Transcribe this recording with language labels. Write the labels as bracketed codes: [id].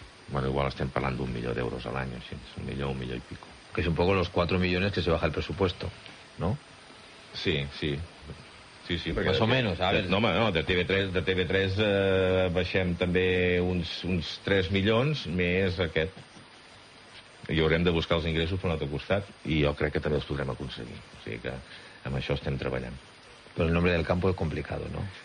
[ca] Bueno, igual estem parlant d'un milió d'euros a l'any, així. Un milió i pico. [es] Que és un poco los 4 millones que se baja el presupuesto, ¿no? Sí, sí. Sí, sí, más o menos, [ca] no, home, no, de TV3 baixem també uns 3 milions més aquest. I haurem de buscar els ingressos per un altre costat i jo crec que també els podrem aconseguir. O sigui que amb això estem treballant. Però el nombre del campo és complicat, no?